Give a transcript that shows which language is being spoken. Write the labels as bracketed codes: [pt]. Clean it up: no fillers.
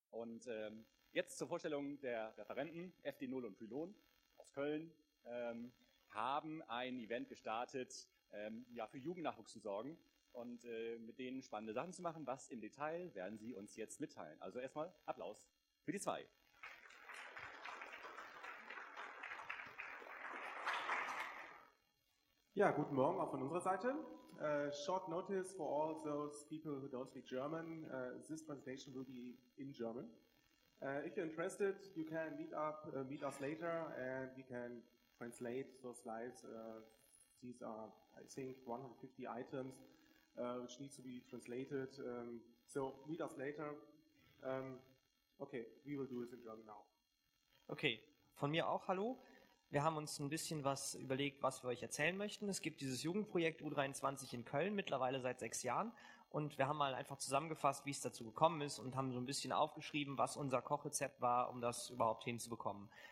[de] Und jetzt zur Vorstellung der Referenten, FD0 und Pylon aus Köln, haben ein Event gestartet, ja, für Jugendnachwuchs zu sorgen und mit denen spannende Sachen zu machen. Was im Detail werden sie uns jetzt mitteilen. Also erstmal Applaus für die zwei. Ja, guten Morgen auch von unserer Seite. [en] Short notice for all those people who don't speak German. This presentation will be in German. If you're interested, you can meet us later and we can translate those slides. These are, I think, 150 items which need to be translated. So meet us later. Okay, we will do this in German now. [de] Okay, von mir auch hallo. Wir haben uns ein bisschen was überlegt, was wir euch erzählen möchten. Es gibt dieses Jugendprojekt U23 in Köln, mittlerweile seit 6 Jahren. Und wir haben mal einfach zusammengefasst, wie es dazu gekommen ist und haben so ein bisschen aufgeschrieben, was unser Kochrezept war, um das überhaupt hinzubekommen.